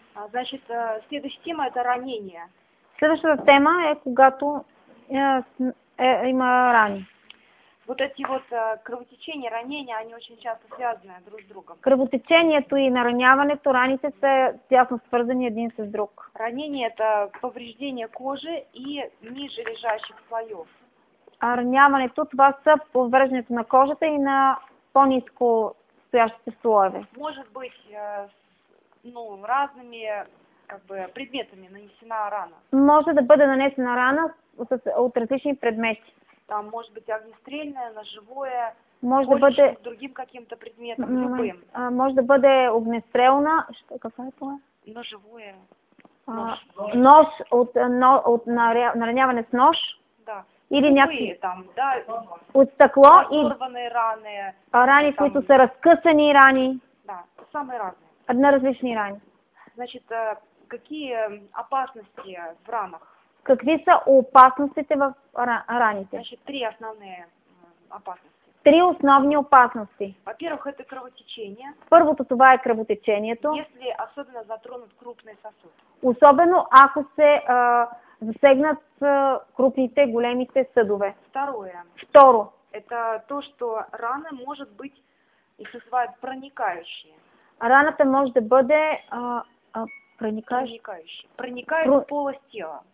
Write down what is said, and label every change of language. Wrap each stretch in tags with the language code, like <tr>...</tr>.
<ru>Значит, следующая тема – это ранение. Следующая тема – это когда</ru> <bg>има рани.</bg> <ru>Вот эти вот кровотечения, ранения, они очень часто связаны друг с другом.</ru> <bg>Кровотечението и нараняването, раните са тясно свързани един с друг.</bg> <ru>Ранение – это повреждение кожи и ниже лежащих слоев.</ru> <bg>А раняването – това са повреждането на кожата и на по-низко стоящите слоеве.</bg> <ru>Может быть, ну, разными как бы предметами нанесена рана.</ru> <bg>Може да бъде нанесена рана от различни предмети.</bg> <ru>Там может быть огнестрельное, ножевое,</ru> <bg>може да бъде</bg> <ru>другим каким-то предметом, любым.</ru> <bg>А може да бъде огнестрелна, што какво е това?</bg> <ru>Ножевое.</ru> <bg>Нож от нараняване с нож.</bg> <ru>Да. Или</ru> <bg>някакви там, да, от стъкло и</bg> <ru>разорванные раны.</ru> <bg>А рани, там, които са разкъсани рани.</bg> <ru>Да, самые разные.</ru> <bg>На различни рани.</bg> <ru>Значит, какие опасности в ранах?</ru> <bg>Какви са опасностите в раните?</bg> <ru>Значит, три основные опасности.</ru> <bg>Три основни опасности.</bg> <ru>Во-первых, это кровотечение.</ru> <bg>Първото, това е кровотечението.</bg> <ru>Если особенно затронут крупный сосуд.</ru> <bg>Особено ако се засегнат крупните, големите съдове.</bg> <ru>Второе.</ru> <bg>Второ.</bg> <ru>Это то, что рана может быть, их называют проникающие.</ru> <bg>Раната може да бъде</bg> <ru>проникаща в полость тела.</ru>